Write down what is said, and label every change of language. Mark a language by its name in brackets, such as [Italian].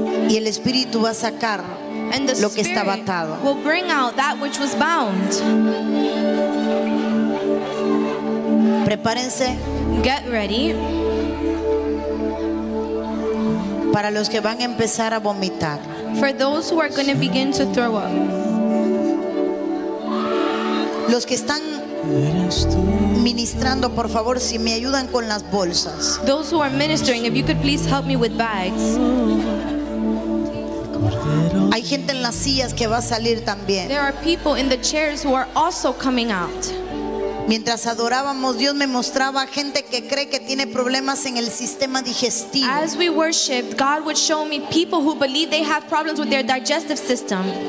[Spanish] Y el Espíritu va a sacar lo que estaba atado. [English] Will bring out that which was bound. [Spanish] Prepárense. [English] Get ready. [Spanish] Para los que van a empezar a vomitar. [English] For those who are going to begin to throw up. [Spanish] Los que están ministrando, por favor, si me ayudan con las bolsas. [English] Those who are ministering, if you could please help me with bags. [Spanish] Hay gente en las sillas que va a salir también. [English] There are people in the chairs who are also coming out. [Spanish] Mientras adorábamos, Dios me mostraba gente que cree que tiene problemas en el sistema digestivo. [English] As we worshiped, God would show me people who believe they have problems with their digestive system.